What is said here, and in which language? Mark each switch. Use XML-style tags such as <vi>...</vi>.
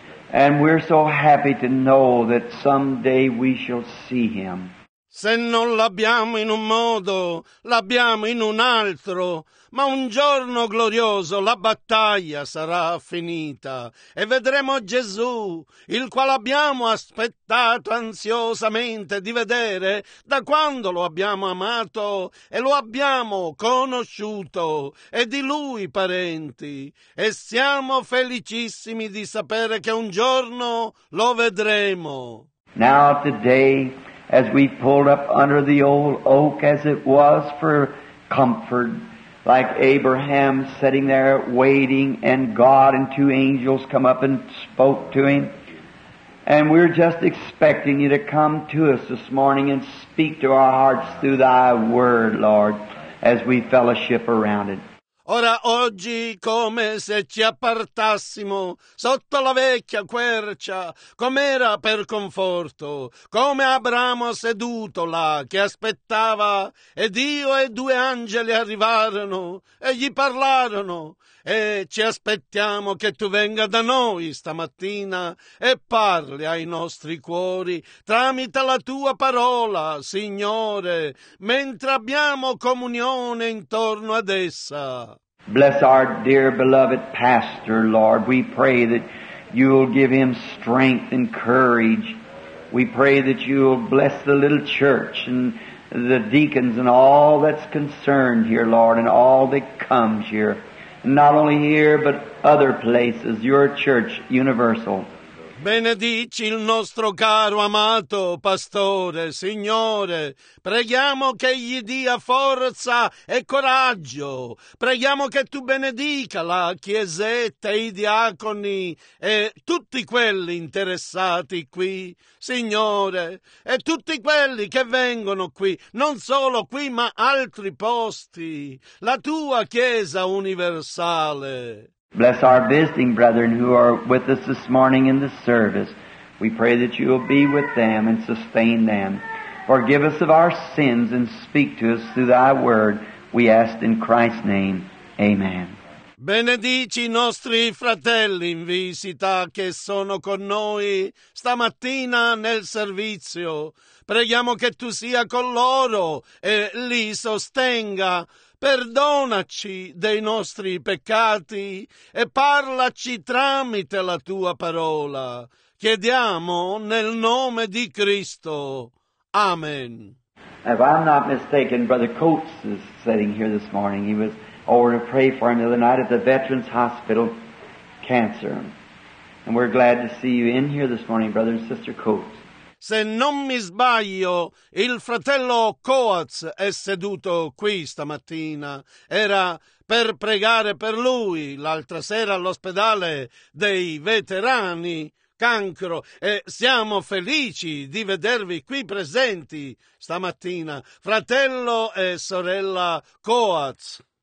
<en>And we're so happy to know that someday we shall see Him.</en> <it>Se non l'abbiamo in un modo, l'abbiamo in un altro. Ma un giorno glorioso la battaglia sarà finita e vedremo Gesù, il quale abbiamo aspettato ansiosamente di vedere da quando lo abbiamo amato e lo abbiamo conosciuto e di Lui parenti. E siamo felicissimi di sapere che un giorno lo vedremo.</it> <en>Now today, as we pulled up under the old oak as it was for comfort, like Abraham sitting there waiting, and God and two angels come up and spoke to him. And we're just expecting you to come to us this morning and speak to our hearts through thy word, Lord, as we fellowship around it.</en> <it>Ora oggi come se ci appartassimo sotto la vecchia quercia, com'era per conforto, come Abramo seduto là che aspettava, e Dio e due angeli arrivarono e gli parlarono. E ci aspettiamo che tu venga da noi stamattina e parli ai nostri cuori tramite la tua parola, Signore, mentre abbiamo comunione intorno ad essa.</it> <en>Bless our dear beloved pastor, Lord. We pray that you will give him strength and courage. We pray that you will bless the little church and the deacons and all that's concerned here, Lord, and all that comes here. Not only here, but other places, your church, universal.</en> <it>Benedici il nostro caro amato pastore, Signore. Preghiamo che gli dia forza e coraggio. Preghiamo che tu benedica la chiesetta, i diaconi e tutti quelli interessati qui, Signore. E tutti quelli che vengono qui, non solo qui, ma altri posti. La tua chiesa universale.</it> <en>Bless our visiting brethren who are with us this morning in the service. We pray that you will be with them and sustain them. Forgive us of our sins and speak to us through thy word. We ask in Christ's name. Amen.</en> <it>Benedici i nostri fratelli in visita che sono con noi stamattina nel servizio. Preghiamo che tu sia con loro e li sostenga. Perdonaci dei nostri peccati e parlaci tramite la tua parola. Chiediamo nel nome di Cristo. Amen.</it> <en>If I'm not mistaken, Brother Coates is sitting here this morning. He was over to pray for him the other night at the Veterans Hospital, cancer. And we're glad to see you in here this morning, Brother and Sister Coates.</en> <it>Se non mi sbaglio, il fratello Coats è seduto qui stamattina. Era per pregare per lui l'altra sera all'ospedale dei veterani, cancro. E siamo felici di vedervi qui presenti stamattina, fratello e sorella Coats.</it>